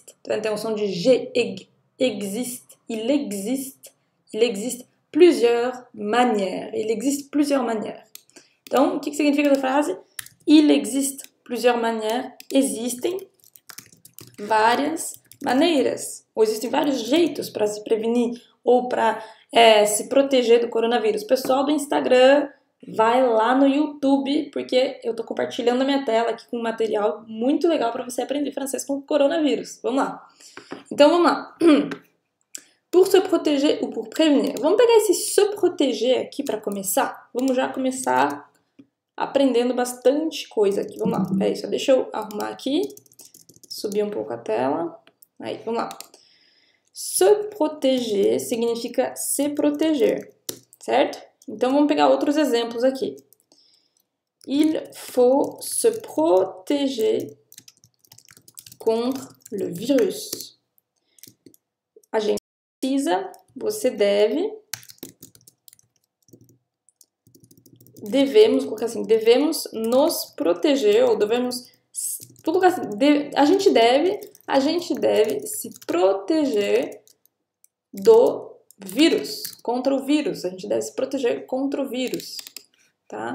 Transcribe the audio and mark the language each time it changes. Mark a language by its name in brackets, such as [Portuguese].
[French] Tu vas entendre le son de G, il existe plusieurs manières. Il existe plusieurs manières. Donc, qu'est-ce que signifie cette phrase? Il existe plusieurs manières. [Portuguese] Existem várias maneiras. Ou existem vários jeitos para se prevenir ou para se proteger do coronavírus. Pessoal do Instagram, vai lá no YouTube, porque eu estou compartilhando a minha tela aqui com um material muito legal para você aprender francês com o coronavírus. Vamos lá. Então, vamos lá. [French] Pour se proteger ou pour prévenir. [Portuguese] Vamos pegar esse se proteger aqui para começar. Vamos já começar aprendendo bastante coisa aqui. Vamos lá. É isso. Deixa eu arrumar aqui. Subir um pouco a tela. Aí, vamos lá. Se proteger significa se proteger. Certo? Então, vamos pegar outros exemplos aqui. [French] Il faut se proteger contre le virus. [Portuguese] A gente precisa, você deve... Devemos, colocar assim, devemos nos proteger, ou devemos... Vou colocar assim, a gente deve se proteger do vírus, contra o vírus. A gente deve se proteger contra o vírus, tá?